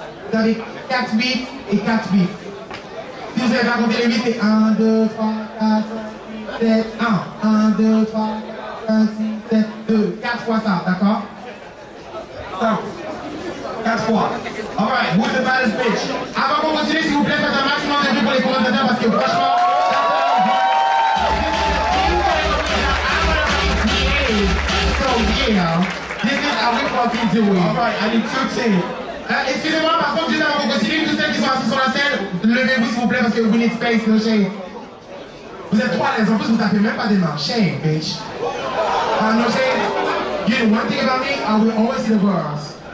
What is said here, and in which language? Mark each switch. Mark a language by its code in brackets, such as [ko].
[fr] Vous avez 4 beats et 4 beats. Si vous n'avez pas compté les beats, c'est 1, 2, 3, 4, 5, 6, 7, 1. 1, 2, 3, 4, 5, 6, 7, 2. 4 fois ça, d'accord? 5. 4 fois. [en] Alright, who's the baddest bitch? [fr] Avant qu'on continue, s'il vous plaît, faites un maximum de pour les commentateurs parce que franchement. [en] So, yeah, this is how we fucking do it. Alright, I need 2 teams. [fr] Excusez-moi, par contre, juste avant qu'on continue, tous celles qui sont assis sur la scène, levez-vous s'il vous plaît parce que [en] we need space, no shame. [fr] Vous êtes 3 à l'aise, en plus, vous tapez même pas des mains. [en] Shame, bitch. No shame. And one thing about me, I will always see the girls.